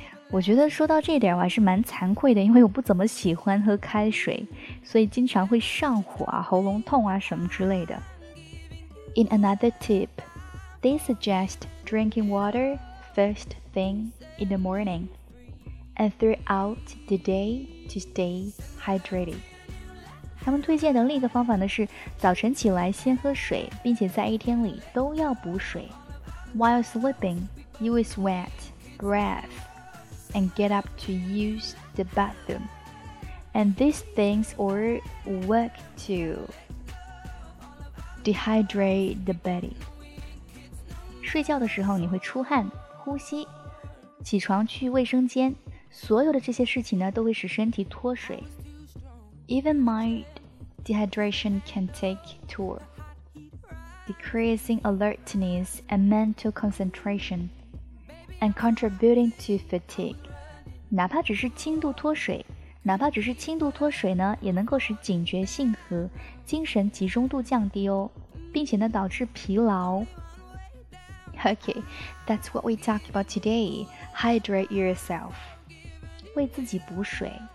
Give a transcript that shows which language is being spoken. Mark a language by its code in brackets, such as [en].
[zh] 我觉得说到这点我还是蛮惭愧的，因为我不怎么喜欢喝开水，所以经常会上火啊，喉咙痛啊什么之类的。 [en] In another tip, they suggest drinking water first thing in the morning and throughout the day to stay hydrated. [zh] 他们推荐的另一个方法呢是早晨起来先喝水，并且在一天里都要补水。 [en] While sleeping, use wet breath. And get up to use the bathroom. And these things all work to dehydrate the body. [zh] 睡觉的时候你会出汗、呼吸，起床去卫生间，所有的这些事情呢都会使身体脱水。 [en] Even mild dehydration can take toll, decreasing alertness and mental concentration, and contributing to fatigue. [zh] 哪怕只是轻度脱水，哪怕只是轻度脱水呢，也能够使警觉性和精神集中度降低哦，并且呢导致疲劳。 [en] Okay, that's what we talk about today. Hydrate yourself. [zh] 为自己补水。